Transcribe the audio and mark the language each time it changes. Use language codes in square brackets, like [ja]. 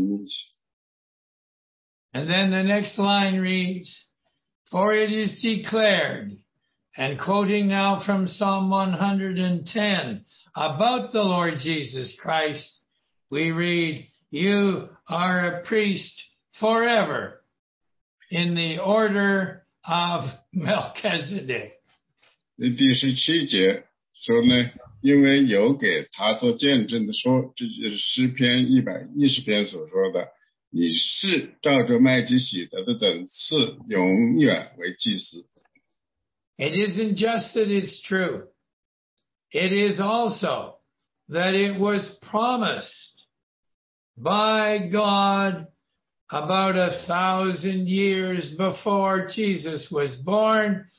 [zh] 这是为什么我们会相信主，我们为什么会相信主耶稣基督的应许？因为不管这个世界、这个整个宇宙发生了什么，主耶稣基督呢，他是不可摧毁的，所以呢，他一定会持守他的应许。 [en] And then the next line reads, "For it is declared," and quoting now from Psalm 110 about the Lord Jesus Christ, we read, "You are a priest forever in the order of Melchizedek." [zh] 第十七节说呢，因为有给他做见证的说，这就是诗篇110篇所说的，你是照着麦基洗德的等次，永远为祭司。 [en] It isn't just that it's true. It is also that it was promised by God about 1,000 years before Jesus was born.